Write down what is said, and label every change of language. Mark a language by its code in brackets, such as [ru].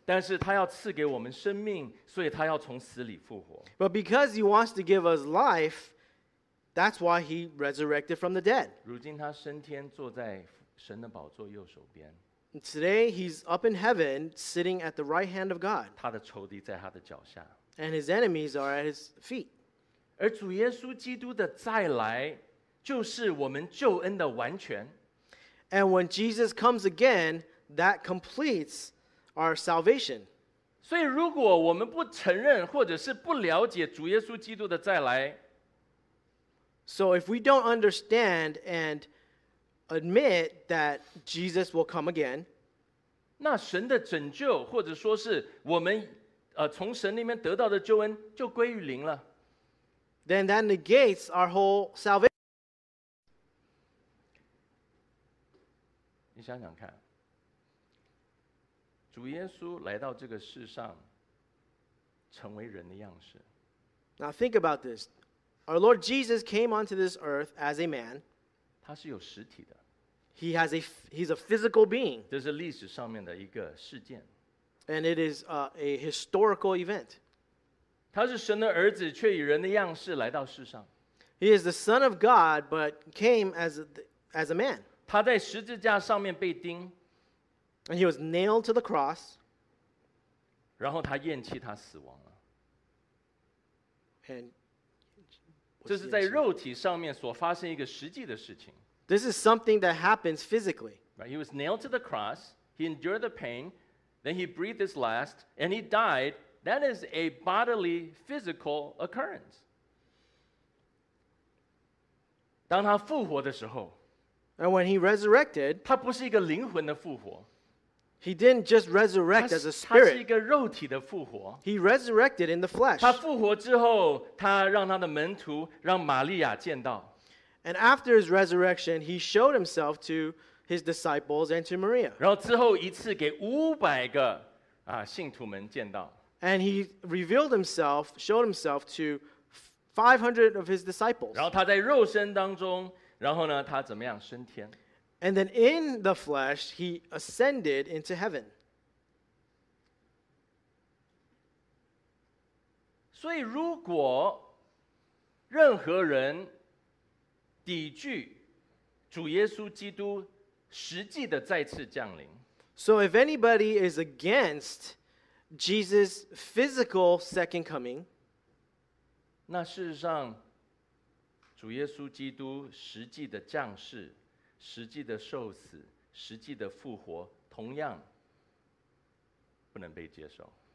[zh] 但是他要赐给我们生命，所以他要从死里复活。 [en] But because he wants to give us life, that's why he resurrected from the dead. [zh] 如今他升天坐在神的宝座右手边。 [en] Today, he's up in heaven, sitting at the right hand of God. [zh] 他的仇敌在他的脚下。 [en] And his enemies are at his feet. [zh] 而主耶稣基督的再来，就是我们救恩的完全。 [en] And when Jesus comes again, that completes our salvation. [zh] 所以如果我们不承认或者是不了解主耶稣基督的再来， [en] So if we don't understand and admit that Jesus will come again. [zh] 那神的拯救，或者说是我们从神里面得到的救恩，就归于零了。 [en] Then that negates our whole salvation. [zh] 你想想看，主耶稣来到这个世上，成为人的样式。 [en] Now think about this. Our Lord Jesus came onto this earth as a man. [zh] 他是有实体的。 [en] He's a physical being. [zh] 这是历史上面的一个事件。 [en] And it is a historical event. [zh] 他是神的儿子，却以人的样式来到世上。 [en] He is the Son of God, but came as a man. [zh] 他在十字架上面被钉。 [en] And he was nailed to the cross. [zh] 然后他咽气，他死亡了。 [en] And [zh] 这是在肉体上面所发生一个实际的事情。 [en] This is something that happens physically. Right, he was nailed to the cross. He endured the pain. Then he breathed his last. And he died. That is a bodily, physical occurrence. [zh] 当他复活的时候， [en] And when he resurrected, [zh] 他不是一个灵魂的复活。 [en] He didn't just resurrect as a spirit. [zh] 他是一个肉体的复活。 [en] He resurrected in the flesh. [zh] 他复活之后，他让他的门徒，让玛利亚见到。 [en] And after his resurrection, he showed himself to his disciples and to Maria. [zh] 然后之后一次给500个信徒们见到。 [en] And he revealed himself, showed himself to 500 of his disciples. [zh] 然后他在肉身当中，然后呢，他怎么样升天？ [en] And then in the flesh, he ascended into heaven. [zh] 所以如果任何人抵拒主耶稣基督实际的再次降临。 [en] So if anybody is against Jesus' physical second coming, [zh] 那事实上，主耶稣基督实际的降世、实际的受死、实际的复活，同样不能被接受。